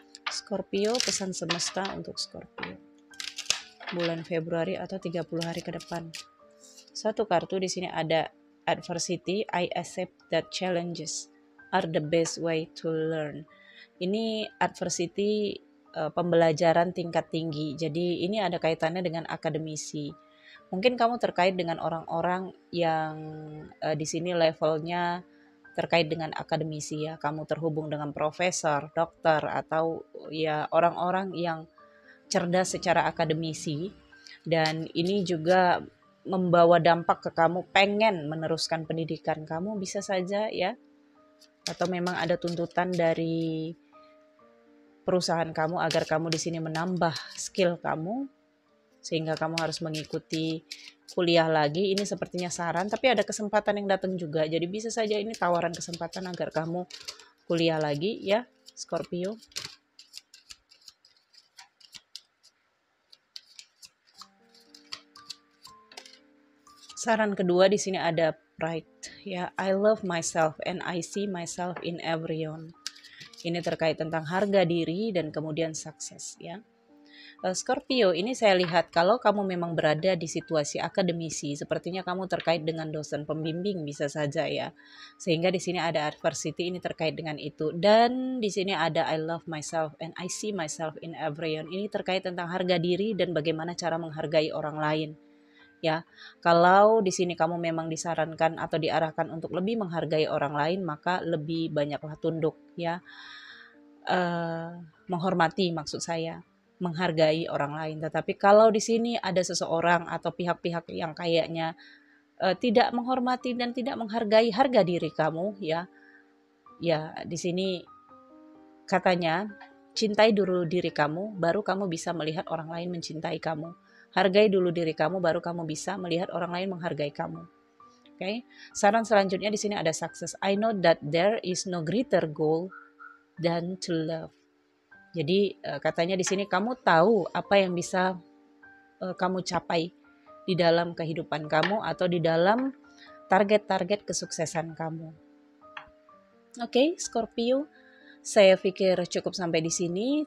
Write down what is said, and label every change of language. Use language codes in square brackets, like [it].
[id] Scorpio, pesan semesta untuk Scorpio. Bulan Februari atau 30 hari ke depan. Satu kartu di sini ada [en] adversity, I accept that challenges are the best way to learn. [id] Ini adversity, pembelajaran tingkat tinggi. Jadi ini ada kaitannya dengan akademisi. Mungkin kamu terkait dengan orang-orang yang di sini levelnya terkait dengan akademisi ya. Kamu terhubung dengan profesor, dokter, atau ya orang-orang yang cerdas secara akademisi. Dan ini juga membawa dampak ke kamu pengen meneruskan pendidikan kamu, bisa saja ya. Atau memang ada tuntutan dari perusahaan kamu agar kamu di sini menambah skill kamu sehingga kamu harus mengikuti kuliah lagi. Ini sepertinya saran, tapi ada kesempatan yang datang juga. Jadi bisa saja ini tawaran kesempatan agar kamu kuliah lagi ya, Scorpio. Saran kedua di sini ada pride ya. [en] I love myself and I see myself in everyone. [id] Ini terkait tentang harga diri dan kemudian sukses ya. Scorpio, ini saya lihat kalau kamu memang berada di situasi akademisi, sepertinya kamu terkait dengan dosen pembimbing, bisa saja ya. Sehingga di sini ada adversity, ini terkait dengan itu. Dan di sini ada [en] I love myself and I see myself in everyone. [id] Ini terkait tentang harga diri dan bagaimana cara menghargai orang lain. Ya, kalau di sini kamu memang disarankan atau diarahkan untuk lebih menghargai orang lain, maka lebih banyaklah tunduk ya. Menghormati maksud saya, menghargai orang lain. Tetapi kalau di sini ada seseorang atau pihak-pihak yang kayaknya tidak menghormati dan tidak menghargai harga diri kamu ya. Ya, di sini katanya cintai dulu diri kamu baru kamu bisa melihat orang lain mencintai kamu. Hargai dulu diri kamu baru kamu bisa melihat orang lain menghargai kamu. Oke. Saran selanjutnya di sini ada success. [en] I know that there is no greater goal than to love. [id] Jadi katanya di sini kamu tahu apa yang bisa kamu capai di dalam kehidupan kamu atau di dalam target-target kesuksesan kamu. Oke, Scorpio. Saya pikir cukup sampai di sini.